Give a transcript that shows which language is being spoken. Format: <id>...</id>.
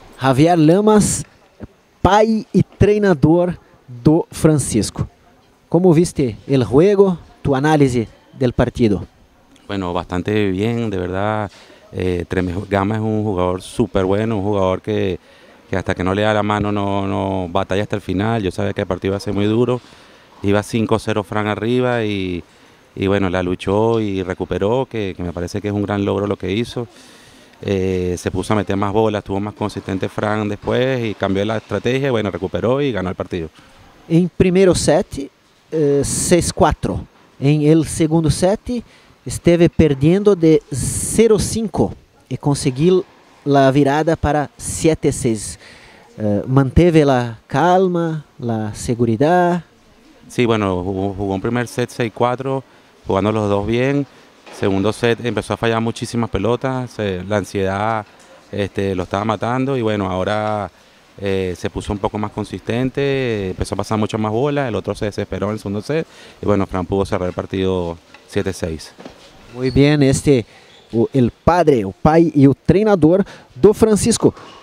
<pt>Javier Llamas, pai e treinador do Francisco. Como viste o jogo? Tua análise do partido? Bueno, bastante bem, de verdade. Llamas é um jogador super bueno, um jogador que até que não lhe dá a mão, não batalha até o final. Eu sabia que o partido ia ser muito duro.</pt> <es>Iba 5-0 Fran arriba y bueno, la luchó y recuperó, que me parece que es un gran logro lo que hizo. Se puso a meter más bolas, estuvo más consistente Fran después y cambió la estrategia, bueno, recuperó y ganó el partido. En primer set,</es> <pt>6-4. En el segundo set esteve perdendo de 0-5 e conseguiu a virada para 7-6. Manteve a calma, a segurança. Sim, bueno, jogou um primeiro set 6-4, jogando os dois bem.</pt> <es>Segundo set empezó a fallar muchísimas pelotas, la ansiedad lo estaba matando y bueno, ahora se puso un poco más consistente, empezó a pasar muchas más bolas, el otro se desesperó en el segundo set y bueno, Fran pudo cerrar el partido 7-6. Muy bien, el padre, el pai y el entrenador do Francisco.</es>